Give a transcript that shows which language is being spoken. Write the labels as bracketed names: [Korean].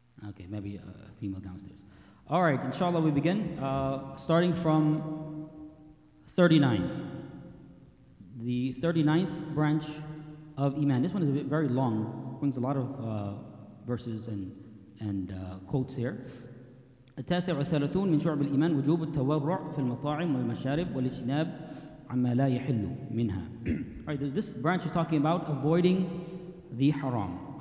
[English] Okay, maybe a female downstairs. All right, inshallah, we begin starting from 39. The 39th branch of Iman. This one is a bit very long, brings a lot of verses and quotes here. [Arabic] التاسع والثلاثون من شعب الإيمان وجوب التورع في المطاعم والمشارب والاجتناب عما لا يحل منها. [English] All right, this branch is talking about avoiding the haram.